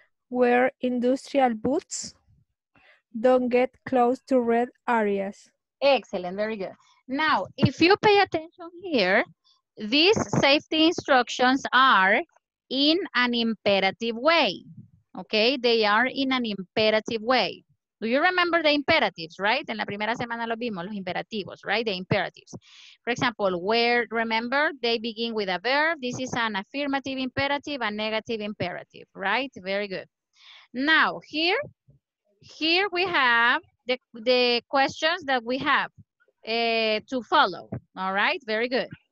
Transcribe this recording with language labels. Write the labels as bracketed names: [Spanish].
[English] Wear industrial boots. Don't get close to red areas. Excellent, very good. Now, if you pay attention here, these safety instructions are in an imperative way. Okay, they are in an imperative way. Do you remember the imperatives, right? [Spanish] En la primera semana lo vimos, los imperativos, [English] right? The imperatives. For example, where, remember, they begin with a verb. This is an affirmative imperative, a negative imperative, right? Very good. Now, here, here we have the questions that we have to follow, all right? Very good.